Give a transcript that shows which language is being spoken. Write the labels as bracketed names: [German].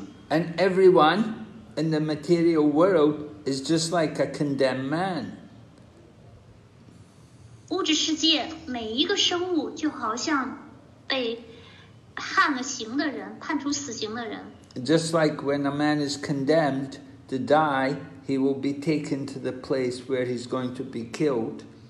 [English] And everyone in the material world is just like a condemned man. [Chinese] 物质世界每一个生物就好像被判处死刑的人, [English] just like when a man is condemned to die, he will be taken to the place where he's going to be killed.